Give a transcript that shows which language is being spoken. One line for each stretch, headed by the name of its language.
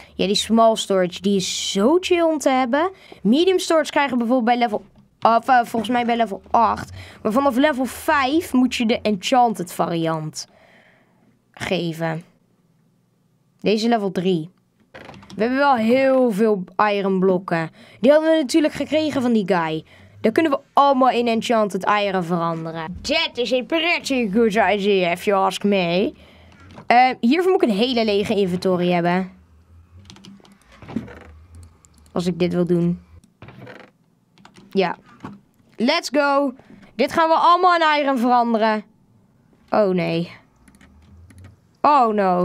Dutch: Ja, die small storage, die is zo chill om te hebben. Medium storage krijgen bijvoorbeeld bij level, of volgens mij bij level 8. Maar vanaf level 5 moet je de enchanted variant geven. Deze level 3. We hebben wel heel veel iron blokken. Die hadden we natuurlijk gekregen van die guy. Dan kunnen we allemaal in enchanted iron veranderen.
English: That is a pretty good idea, if you ask me.
Dutch: Hiervoor moet ik een hele lege inventory hebben. Als ik dit wil doen. Ja.
English: Let's go.
Dutch: Dit gaan we allemaal in iron veranderen. Oh nee.
English: Oh no.